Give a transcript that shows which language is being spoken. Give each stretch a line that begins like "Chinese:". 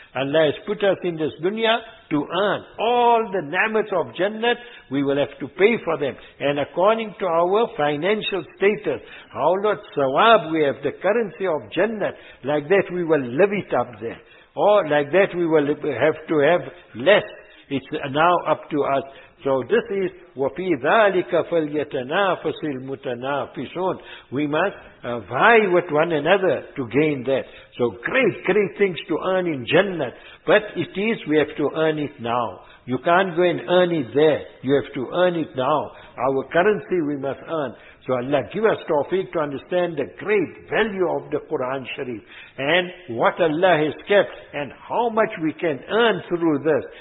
English: Allah has put us in this dunya to earn. All the namat of Jannat, we will have to pay for them. And according to our financial status, how lot sawab we have, the currency of Jannat, like that we will live it up there. Or like that we will have to have less. It's now up to us. So this is
Arabic: وَفِي ذَٰلِكَ فَلْيَتَنَافَسِ الْمُتَنَافِسُونَ.
English: We must vie with one another to gain that. So great, great things to earn in Jannat. But it is, we have to earn it now. You can't go and earn it there. You have to earn it now. Our currency we must earn. So Allah give us tawfiq to understand the great value of the Quran Sharif and what Allah has kept and how much we can earn through this.